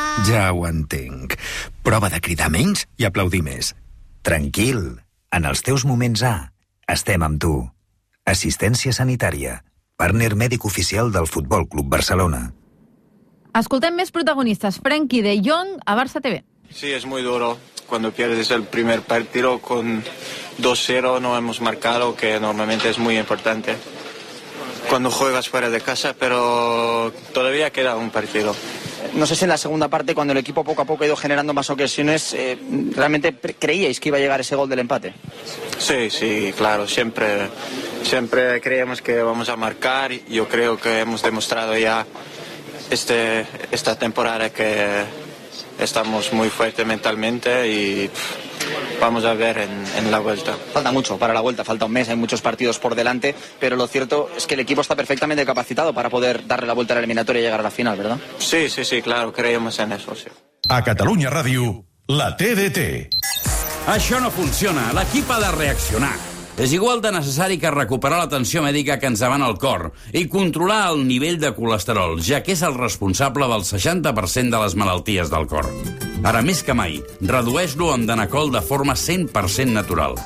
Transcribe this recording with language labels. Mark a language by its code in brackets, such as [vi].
[ca] Ja ho entenc. Prova de cridar menys i aplaudir més. Tranquil, en els teus moments A, estem amb tu. Assistència sanitària, partner mèdic oficial del Futbol Club Barcelona. Escoltem més protagonistes. Frenkie de Jong a Barça TV. [es] Sí, es muy duro cuando pierdes el primer partido con 2-0, no hemos marcado, que normalmente es muy importante. cuando juegas fuera de casa, pero todavía queda un partido. No sé si en la segunda parte, cuando el equipo poco a poco ha ido generando más ocasiones, ¿realmente creíais que iba a llegar ese gol del empate? Sí, sí, claro, siempre creíamos que vamos a marcar. Yo creo que hemos demostrado ya esta temporada que estamos muy fuertes mentalmente y vamos a ver en la vuelta. Falta mucho para la vuelta, falta un mes, hay muchos partidos por delante, pero lo cierto es que el equipo está perfectamente capacitado para poder darle la vuelta a la eliminatoria y llegar a la final, ¿verdad? Sí, sí, sí, claro, creemos en eso, sí. [ca] A Catalunya Ràdio, la TDT. Això no funciona, l'equip ha de reaccionar. És igual de necessari que recuperar l'atenció mèdica que ens demana el cor i controlar el nivell de colesterol, ja que és el responsable del 60% de les malalties del cor. Ara més que mai, redueix-lo amb Danacol de forma 100% natural.